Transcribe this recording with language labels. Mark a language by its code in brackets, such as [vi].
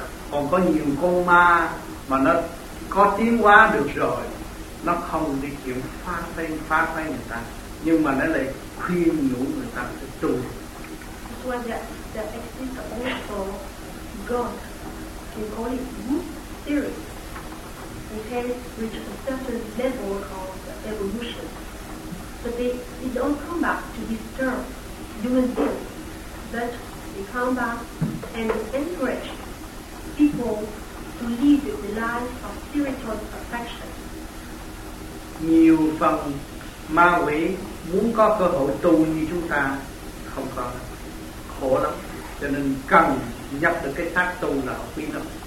[vi] Còn có nhiều con ma mà nó có tiến hóa được rồi, nó không đi chuyện phá phách người ta, nhưng mà nó lại khuyên nhủ người ta tu. [en] So there exists also God, we call it good spirit. We can reach a certain level of evolution. But they don't come back to disturb human beings, but they come back and encourage people to lead the life of spiritual perfection. [vi] Nhiều phần ma quỷ muốn có cơ hội tu như chúng ta không có, khổ lắm. Cho nên cần nhập được cái xác tu là quý lắm.